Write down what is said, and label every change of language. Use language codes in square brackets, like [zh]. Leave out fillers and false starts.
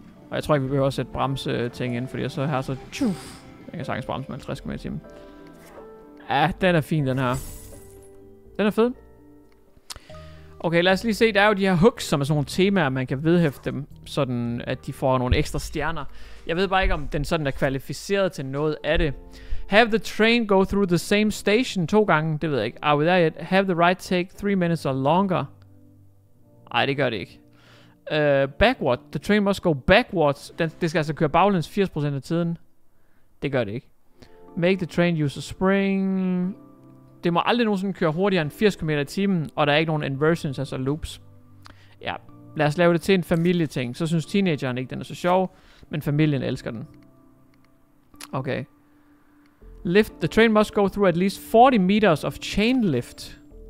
[da] Og jeg tror ikke, vi behøver at sætte bremseting ind. Fordi jeg så her så... Jeg kan sagtens bremse med 50 km i timen. Ja, den er fin den her. Den er fed. Okay, lad os lige se. Der er jo de her hooks, som er sådan nogle temaer, man kan vedhæfte dem. Sådan, at de får nogle ekstra stjerner. Jeg ved bare ikke, om den sådan er kvalificeret til noget af det. [en] Have the train go through the same station [da] 2 gange. Det ved jeg ikke. [en] Are we there yet? Have the ride take 3 minutes or longer. [da] Ej, det gør det ikke. Backward. [en] The train must go backwards. [da] Det skal altså køre baglæns 80% af tiden. Det gør det ikke. [en] Make the train use a spring. [da] Det må aldrig nogensinde køre hurtigere end 80 km i timen, og der er ikke nogen inversions, altså loops. Ja, lad os lave det til en familieting. Så synes teenageren ikke, den er så sjov, men familien elsker den. [en] Okay. Lift. The train must go through at least 40 meters of chain lift.